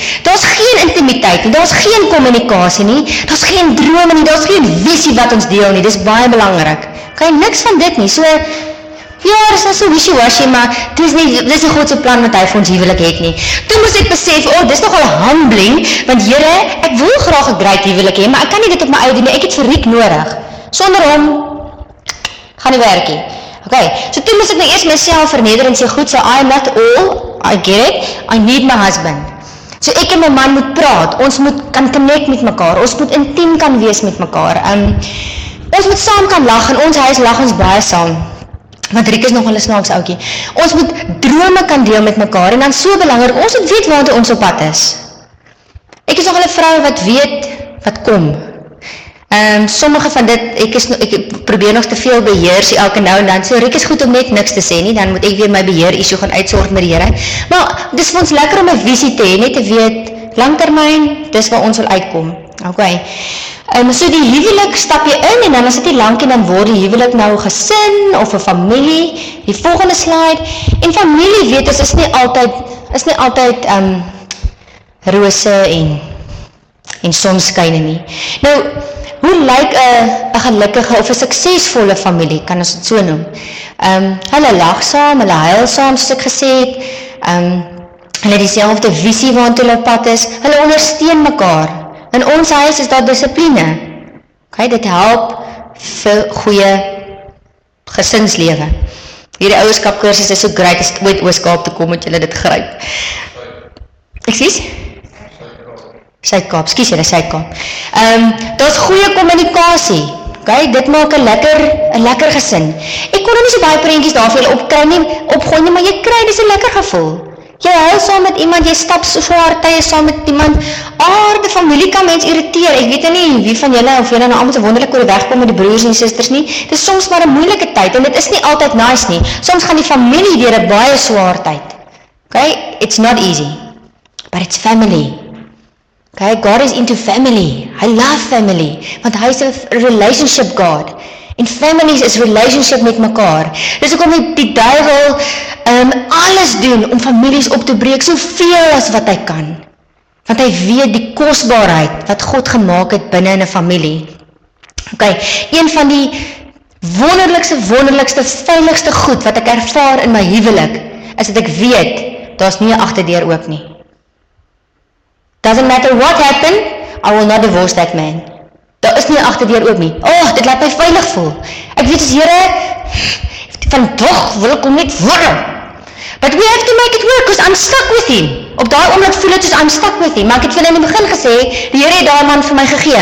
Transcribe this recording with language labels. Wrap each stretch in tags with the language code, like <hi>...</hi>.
<af>Daar is geen intimiteit nie, daar is geen communicatie nie, daar is geen drome nie, daar is geen visie wat ons deel nie, dis baie belangrik. Ok, niks van dit nie, so... Ja, dit is nou so wishy-washy, maar dit is nie Godse plan wat hy vir ons huwelik het nie. Toe moes ek besef, oh, dit is nogal humbling, want Here, ek wil graag een great huwelik hê, maar ek kan nie dit op my ou doen nie, ek het vir Riek nodig. Sonder hom, gaan nie werk nie. Ok, so toe moes ek nou eerst myself verneder en sê, goed,</af> <en>so I am not all, I get it, I need my husband.</en> <af>So ek en my man moet praat, ons moet kan connect met mekaar, ons moet intiem kan wees met mekaar, ons moet saam kan lach, en ons huis lach ons baie saam. Want Riek is nogal een snaaks oukie. Ons moet drome kan deel met mekaar, en dan so belangrijk, ons moet weet waar ons op pad is. Ek is nogal een vrou wat weet wat kom. Sommige van dit, ek probeer nog te veel beheer, sê elke nou en dan, so Riek is goed om net niks te sê nie, dan moet ek weer my beheer issue gaan uitsoort met die Here. Maar, dis vir ons lekker om een visie te heen, net te weet, langtermijn, dis waar ons wil uitkom. Ok. So die huwelik stap jy in en dan is dit die lankie en dan word die huwelik nou gesin of 'n familie, die volgende slide, en familie weet ons is nie altyd rose en sonskyn nie. Nou, hoe lyk 'n gelukkige of 'n suksesvolle familie, kan ons dit so noem? Hulle lag saam, hulle huil saam, soos ek gesê het, hulle het dieselfde visie waarna hulle pad is, hulle ondersteun mekaar. In ons huis is dat discipline. Ok, dit help vir goeie gesinslewe. Hierdie ouerskap kursus is so great, as het ooit Ooskaap te kom, moet julle dit gryp. Excuse? Suidkaap, excuse julle, Suidkaap. Dit is goeie communicatie. Ok, dit maak een lekker gesin. Ek kon nie so baie prentjies daar vir julle opkry nie, opgooi nie, maar jy kry, dit is een lekker gevoel. Jy huil saam met iemand, jy stap so hard tyd saam met iemand. Aarde familie kan mens irriteer. Ek weet nie wie van julle of julle nou allemaal so wonderlik oor wegkom met die broers en sisters nie. Dit is soms maar een moeilike tyd en dit is nie altyd nice nie. Soms gaan die familie deur 'n baie swaar tyd.</af> <en>Okay, it's not easy. But it's family. Okay, God is into family. I love family.</en> <af>Want hy is</af> <en>a relationship God.</en> <af>En families is relationship met mekaar. Dus ek om die duivel alles doen om families op te breek, soveel as wat hy kan. Want hy weet die kostbaarheid wat God gemaakt het binnen in 'n familie. Ok, een van die wonderlikste, veiligste goed wat ek ervaar in my huwelik, is dat ek weet, daar is nie 'n agterdeur oop nie.</af> <en>Doesn't matter what happen, I will not divorce that man.</en> <af>Daar is nie een achterdeur oop nie. Oh, dit laat my veilig voel. Ek weet as Here, vandag wil ek hom net worm.</af> <en>But we have to make it work, because I'm stuck with him.</en> <af>Op daai oomblik voel het soos</af> <en>I'm stuck with him.</en> <af>Maar ek het vir in die begin gesê, die Here het daai man vir my gegee.</af>